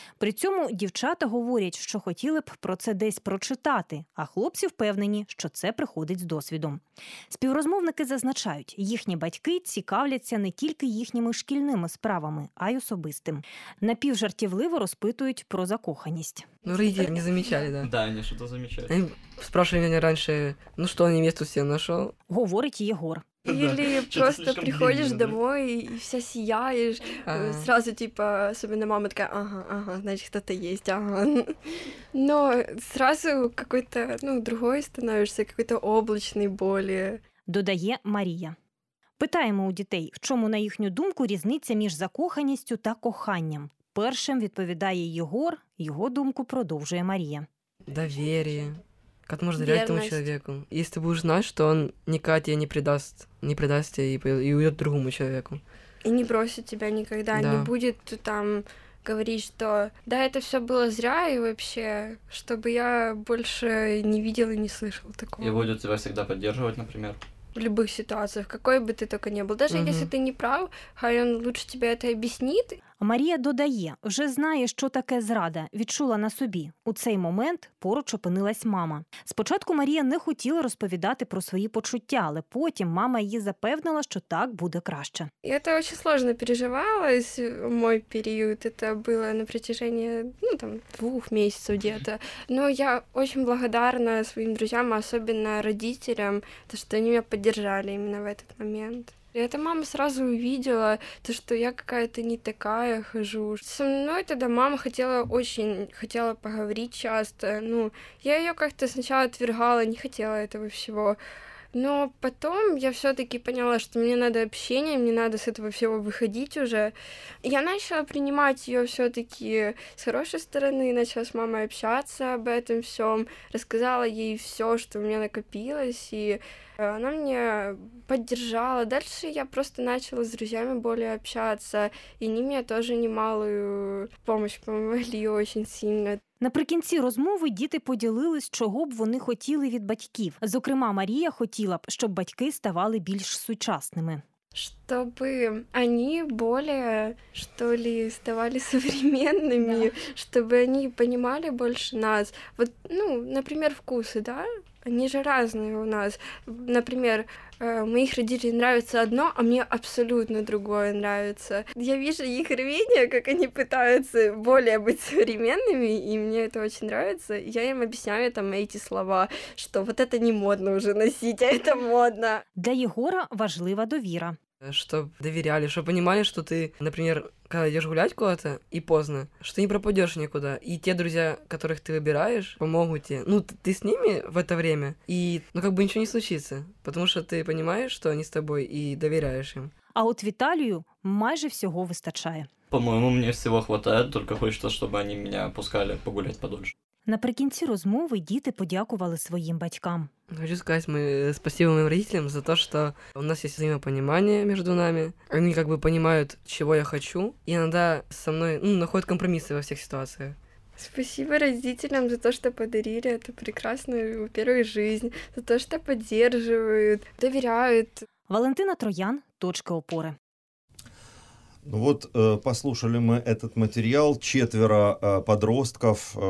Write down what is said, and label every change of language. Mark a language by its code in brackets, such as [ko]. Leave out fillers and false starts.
[uk] При цьому дівчата говорять, що хотіли б про це десь прочитати, а хлопці впевнені, що це приходить з досвідом. Співрозмовники зазначають, їхні батьки цікавляться не тільки їхніми шкільними справами, а й особистим. Напівжартівливо розпитують про закоханість. [ru] Ну, родители не замечали, да. Да, они что-то замечали. Спрашивали меня раньше, ну что, невесту себе нашел? Говорит Егор. Или да, просто приходишь домой и вся сияешь. Ага. Сразу, особенно мама такая, значит, кто-то есть, Но сразу какой-то, другой становишься, какой-то облачный более. [uk] Додає Марія. Питаємо у дітей, в чому, на їхню думку, різниця між закоханістю та коханням. Першим відповідає Єгор, його думку продовжує Марія. Довір'я. Як можна довіряти тому чоловіку? Якщо ти будеш знати, що він ніколи тебе не предасть, і уйде другому чоловіку. І не бросить тебе ніколи, да. Не буде там говорити, що «Да, це все було зря, і взагалі, щоб я більше не бачив і не слухав такого». І буде тебе завжди підтримувати, наприклад. [ru] В любых ситуациях, какой бы ты только не был. Даже если ты не прав, хай он лучше тебе это объяснит. [uk] Марія додає, вже знає, що таке зрада, відчула на собі. У цей момент поруч опинилась мама. Спочатку Марія не хотіла розповідати про свої почуття, але потім мама її запевнила, що так буде краще. Я це дуже складно переживала, мій період. Це було на протязі двох місяців десь. Ну, я дуже благодарна своїм друзям, особливо батькам, що вони мене підтримали саме в цей момент. [ru] И эта мама сразу увидела, то, что я какая-то не такая хожу. Со мной тогда мама хотела поговорить часто. Ну, я ее как-то сначала отвергала, не хотела этого всего. Но потом я все-таки поняла, что мне надо общение, мне надо с этого всего выходить уже. Я начала принимать ее все-таки с хорошей стороны, начала с мамой общаться об этом всем, рассказала ей все, что у меня накопилось, и она мне поддержала. Дальше я просто начала с друзьями более общаться, и они мне тоже немалую помощь помогли очень сильно. [uk] Наприкінці розмови діти поділились, чого б вони хотіли від батьків. Зокрема, Марія хотіла б, щоб батьки ставали більш сучасними. Щоб вони більше, що ли, ставали сучасними, щоб вони розуміли більше нас. Наприклад, вкуси, да? Вони ж різні у нас. Наприклад, [ru] моих родителей нравится одно, а мне абсолютно другое нравится. Я вижу их рвение, как они пытаются более быть современными, и мне это очень нравится. Я им объясняю там эти слова, что вот это не модно уже носить, а это модно. [uk] Для Егора важлива довіра. [ru] Чтобы доверяли, чтобы понимали, что ты, например, когда идешь гулять куда-то и поздно, что ты не пропадешь никуда. И те друзья, которых ты выбираешь, помогут тебе. Ну, ты с ними в это время, и ну как бы ничего не случится. Потому что ты понимаешь, что они с тобой, и доверяешь им. А вот Виталию майже всего выстачает. По-моему, мне всего хватает, только хочется, чтобы они меня пускали погулять подольше. [uk] Наприкінці розмови діти подякували своїм батькам. Хочу сказати, ми спасибо моїм батькам за те, що у нас є взаєморозуміння між нами. Вони якби розуміють, чого я хочу, і іноді зі мною, ну, знаходять компроміси во всіх ситуаціях. [ru] Спасибо родителям за то, что подарили эту прекрасную первую жизнь, за то, что поддерживают, доверяют. Валентина Троян, точка опоры. Ну вот, послушали мы этот материал, четверо подростков.